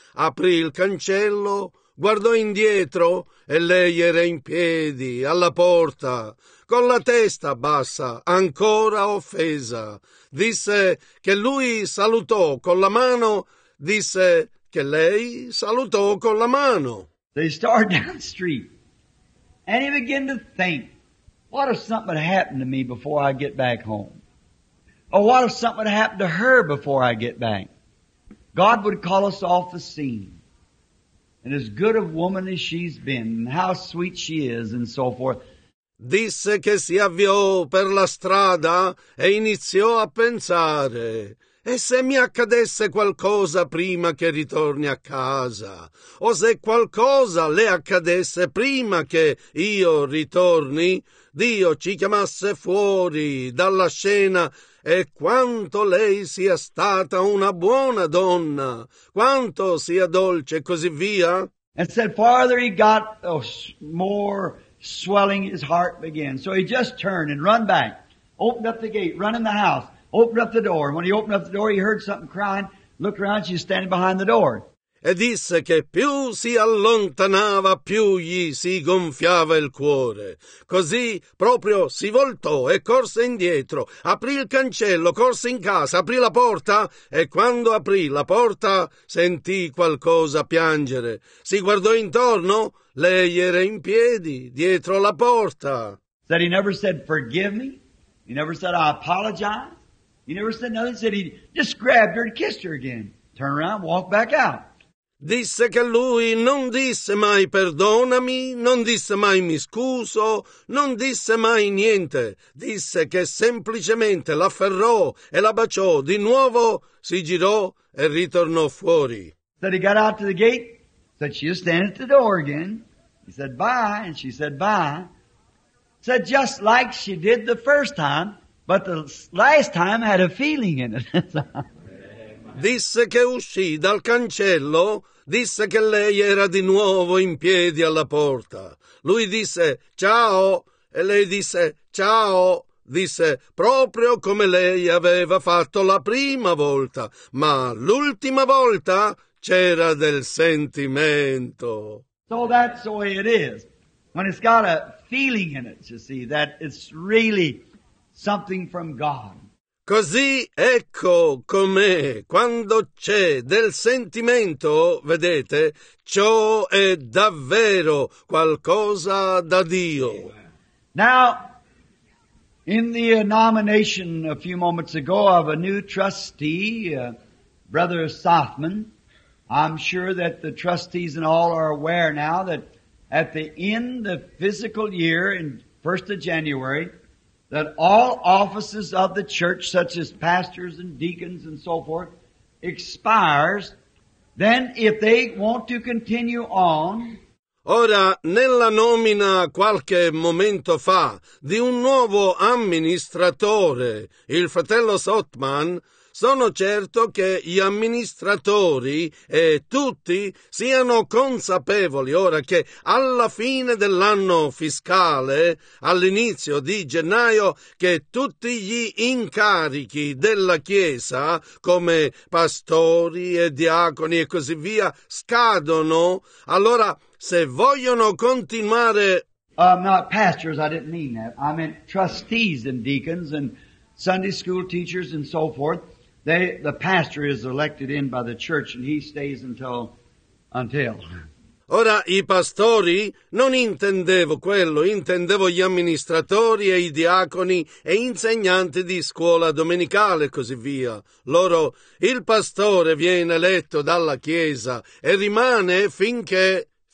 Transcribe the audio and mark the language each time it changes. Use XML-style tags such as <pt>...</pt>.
<it>Aprì il cancello, guardò indietro, e lei era in piedi alla porta, con la testa bassa, ancora offesa. Disse che lui salutò con la mano. Disse che lei salutò con la mano.</it> <en>They started down the street. And he began to think, what if something had happened to me before I get back home? Or what if something had happened to her before I get back? God would call us off the scene. And as good a woman as she's been, and how sweet she is, and so forth.</en> <it>Disse che si avviò per la strada e iniziò a pensare, e se mi accadesse qualcosa prima che ritorni a casa, o se qualcosa le accadesse prima che io ritorni, Dio ci chiamasse fuori dalla scena, e quanto lei sia stata una buona donna, quanto sia dolce, e così via.</it> <en>And said farther he got more swelling, his heart began. So he just turned and run back, opened up the gate, run in the house. Opened up the door. When he opened up the door, he heard something crying. Looked around, she's standing behind the door.</en> <it>E disse che più si allontanava, più gli si gonfiava il cuore. Così proprio si voltò e corse indietro. Aprì il cancello, corse in casa, aprì la porta. E quando aprì la porta, sentì qualcosa piangere. Si guardò intorno. Lei era in piedi, dietro la porta.</it> <en>Said he never said, forgive me. He never said, I apologize. He never said nothing. He said he just grabbed her and kissed her again. Turn around, walk back out.</en> <it>Disse che lui non disse mai perdonami, non disse mai mi scuso, non disse mai niente. Disse che semplicemente l'afferrò e la baciò di nuovo, si girò e ritornò fuori.</it> <en>Said he got out to the gate, said she was standing at the door again. He said bye, and she said bye. Said just like she did the first time. But the last time had a feeling in it.</en> <it>Disse che uscì dal cancello, disse che lei era di nuovo in piedi alla porta. Lui disse ciao, e lei disse ciao, disse proprio come lei aveva fatto la prima volta, ma l'ultima volta c'era del sentimento.</it> <en>So that's the way it is. When it's got a feeling in it, you see, that it's really something from God.</en> <it>Così ecco com'è. Quando c'è del sentimento, vedete, ciò è davvero qualcosa da Dio.</it> <en>Now, in the nomination a few moments ago of a new trustee, Brother Sothman, I'm sure that the trustees and all are aware now that at the end of the fiscal year, in 1st of January, that all offices of the church, such as pastors and deacons and so forth, expires, then if they want to continue on.</en> <it>Ora, nella nomina qualche momento fa di un nuovo amministratore, il fratello Sothman, sono certo che gli amministratori e tutti siano consapevoli ora che alla fine dell'anno fiscale, all'inizio di gennaio, che tutti gli incarichi della Chiesa, come pastori e diaconi e così via, scadono. Allora, se vogliono continuare</it> <en>Not pastors, I didn't mean that. I meant trustees and deacons and Sunday school teachers and so forth. The pastor is elected in by the church and he stays until.</en> <it>Ora, i pastori, non intendevo quello, intendevo gli amministratori e i diaconi e insegnanti di scuola domenicale e così via. Loro, il pastore viene eletto dalla Chiesa e rimane finché.</it>